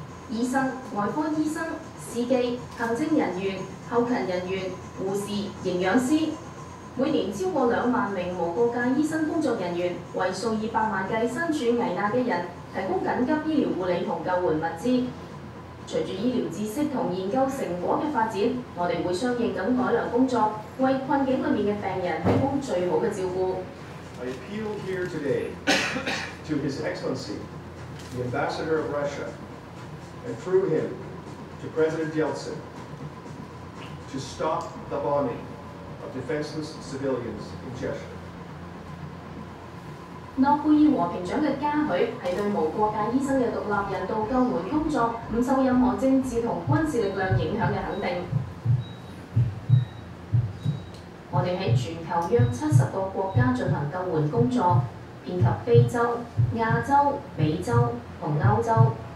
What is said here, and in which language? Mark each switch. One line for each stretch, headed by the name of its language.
Chinese: 医生、外科医生、司机、行政人员、后勤人员、护士、营养师，每年超过20,000名无国界医生工作人员，为数以百万计身处危难的人提供紧急医疗护理和救援物资。随着医疗知识和研究成果的发展，我们会相应地改良工作，为困境里面的病人提供最好的照顾。
English: I appeal here today to His Excellency, the Ambassador of Russia, and through him to President Yeltsin, to stop the bombing of defenseless civilians in Chechnya.
Chinese: 諾貝爾和平獎的嘉許是對無國界醫生的獨立人道救援工作不受任何政治和軍事力量影響的肯定。我们在全球约70个国家进行救援工作，遍及非洲、亚洲、美洲和欧洲。